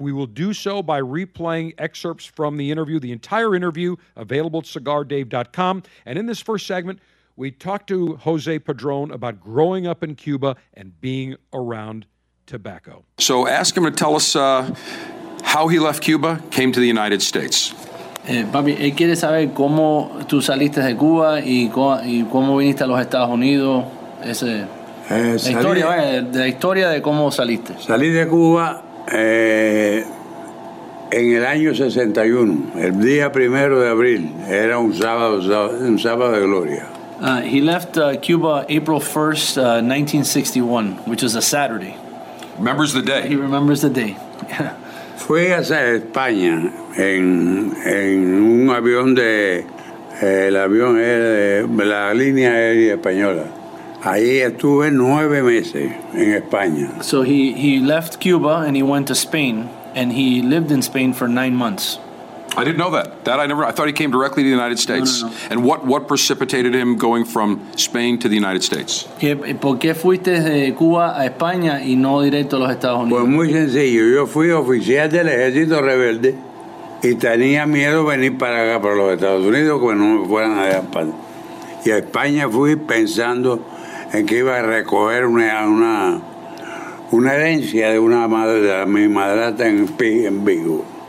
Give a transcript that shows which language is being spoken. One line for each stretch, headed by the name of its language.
English: We will do so by replaying excerpts from the interview, the entire interview, available at CigarDave.com. And in this first segment, we talked to Jose Padron about growing up in Cuba and being around tobacco. So ask him to tell us how he left Cuba, came to the United States.
Spanish: Papi, él quiere saber cómo tú saliste de Cuba y cómo viniste a los Estados Unidos. Ese... La historia de cómo saliste. Salí de Cuba en el año 61, el día primero de abril. Era un sábado de gloria.
English: He left Cuba April 1st, 1961, which is a Saturday. Remembers the day. He remembers the day.
Spanish: Fui hacia España en un avión de... el avión era de la línea aérea española. Ahí estuve 9 meses en España.
English: So he left Cuba and he went to Spain, and he lived in Spain for 9 months. I didn't know that. I thought he came directly to the United States. No, no, no. And what precipitated him going from Spain to the United States?
Spanish: ¿Por qué fuiste de Cuba a España y no directo a los Estados Unidos? Pues muy sencillo. Yo fui oficial del ejército rebelde y tenía miedo venir para acá, para los Estados Unidos, que no me fueran allá para... Y a España fui pensando en que iba a recoger una herencia de una madre, de mi madrastra en Vigo.